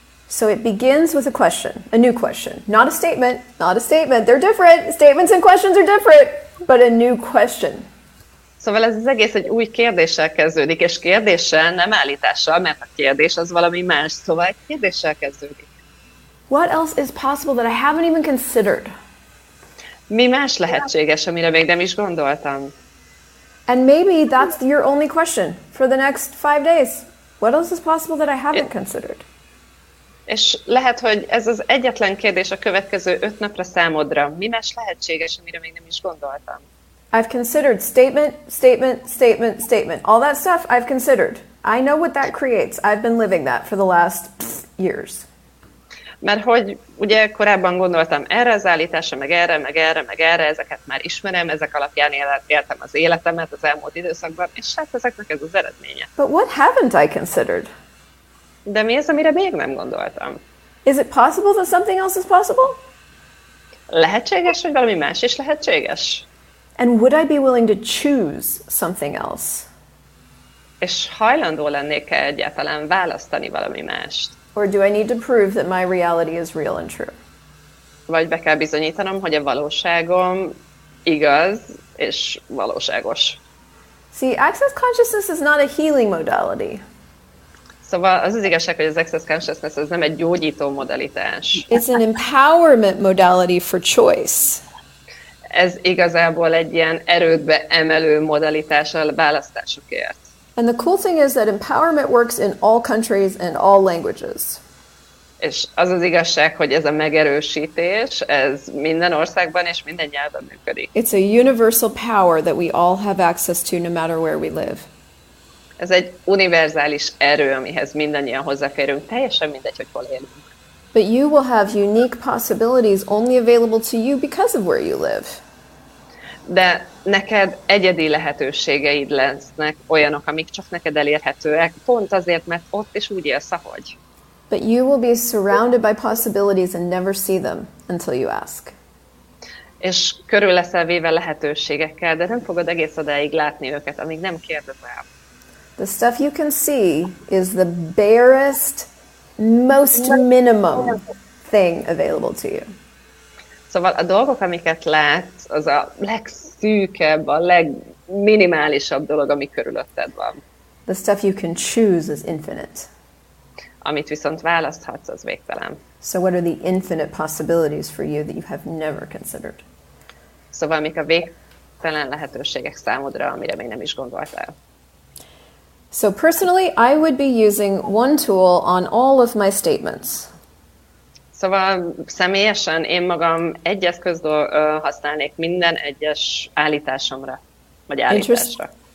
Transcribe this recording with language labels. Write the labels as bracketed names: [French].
[English] So it begins with a question, a new question. Not a statement. They're different. Statements and questions are different, but a new question. [Hungarian] Szóval ez az egész egy új kérdéssel kezdődik, és kérdéssel, nem állítással, mert a kérdés az valami más. Szóval egy kérdéssel kezdődik. [English] What else is possible that I haven't even considered? [Hungarian] Mi más lehetséges, amire még nem is gondoltam? [English] And maybe that's your only question for the next 5 days. What else is possible that I haven't considered? [Hungarian] És lehet, hogy ez az egyetlen kérdés a következő 5 napra számodra. Mi más lehetséges, amire még nem is gondoltam? [English] I've considered statement. All that stuff I've considered. I know what that creates. I've been living that for the last years. [Hungarian] Mert hogy ugye korábban gondoltam erre az állításra, meg erre, ezeket már ismerem, ezek alapján éltem az életemet az elmúlt időszakban, és hát ezeknek ez az eredménye. [English] But what haven't I considered? [Hungarian] De mi az, amire még nem gondoltam? [English] Is it possible that something else is possible? [Hungarian] Lehetséges, hogy valami más is lehetséges? [English] And would I be willing to choose something else? [Hungarian] És hajlandó lennék-e egyáltalán választani valami mást? [English] Or do I need to prove that my reality is real and true? [Hungarian] Vagy be kell bizonyítanom, hogy a valóságom igaz és valóságos. [English] See, access consciousness is not a healing modality. [Hungarian] Szóval az az igazság, hogy az access consciousness az nem egy gyógyító modalitás. [English] It's an empowerment modality for choice. [Hungarian] Ez igazából egy ilyen erődbe emelő modalitás a választásokért. [English] And the cool thing is that empowerment works in all countries and all languages. [Hungarian] És az az igazság, hogy ez a megerősítés, ez minden országban és minden nyelven működik. [English] It's a universal power that we all have access to no matter where we live. [Hungarian] Ez egy univerzális erő, amihez mindannyian hozzáférünk, teljesen mindegy, hogy hol élünk. [English] But you will have unique possibilities only available to you because of where you live. [Hungarian] De neked egyedi lehetőségeid lesznek olyanok, amik csak neked elérhetőek, pont azért, mert ott is úgy élsz, ahogy. [English] But you will be surrounded by possibilities and never see them until you ask. [Hungarian] És körül leszel véve lehetőségekkel, de nem fogod egész odáig látni őket, amíg nem kérdezel. [English] The stuff you can see is the barest, most minimum thing available to you. [Hungarian] Szóval a dolgok, amiket látsz, az a legszűkebb, a legminimálisabb dolog, ami körülötted van. [English] The stuff you can choose is infinite. [Hungarian] Amit viszont választhatsz, az végtelen. [English] So what are the infinite possibilities for you that you have never considered? [Hungarian] Szóval mik a végtelen lehetőségek számodra, amire még nem is gondoltál? [English] So personally, I would be using one tool on all of my statements. [Hungarian] Szóval személyesen én magam egy eszközt használnék minden egyes állításomra, vagy állításra.